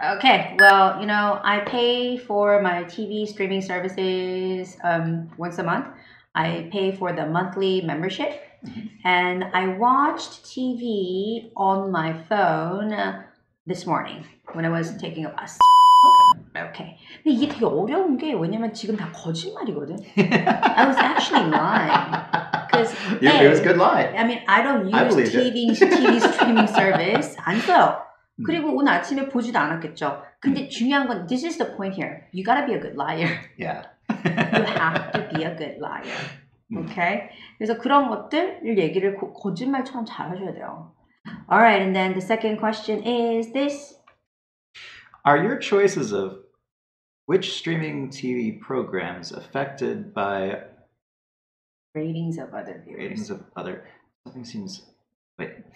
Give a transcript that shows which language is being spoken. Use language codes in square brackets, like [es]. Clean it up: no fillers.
[en] Okay, well, you know, I pay for my TV streaming services once a month. I pay for the monthly membership. And I watched TV on my phone this morning when I was taking a bus. Okay. [ko] 근데 이게 되게 어려운 게 왜냐면 지금 다 거짓말이거든. [en] I was actually lying. Yeah, it was a good lie. I mean, I don't use TV streaming service. [ko] 안 써요. 그리고 오늘 아침에 보지도 않았겠죠. 근데 중요한 건, [en] this is the point here. You gotta be a good liar. Yeah. You have to be a good liar. Okay? [ko] 그래서 그런 것들을 얘기를 거짓말처럼 잘 하셔야 돼요. [en] Alright, and then the second question is this. Are your choices of which streaming TV programs affected by ratings of other viewers? Ratings of other... Something seems... Wait.